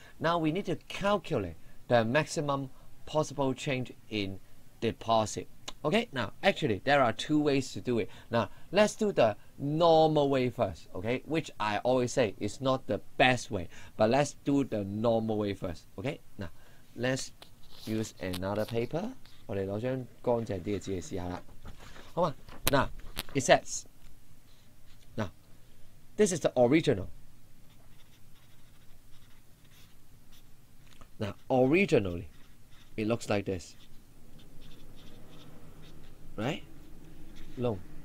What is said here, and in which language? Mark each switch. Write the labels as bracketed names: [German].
[English] Now we need to calculate the maximum possible change in deposit. Okay, now actually there are two ways to do it. Now let's do the normal way first, okay? Which I always say is not the best way, but let's do the normal way first, okay? Now, let's use another paper. [Cantonese] 我們拿張乾淨的紙試一下啦。好嗎? [English] Now, it says, now, this is the original. Now, originally, it looks like this. Right? Long.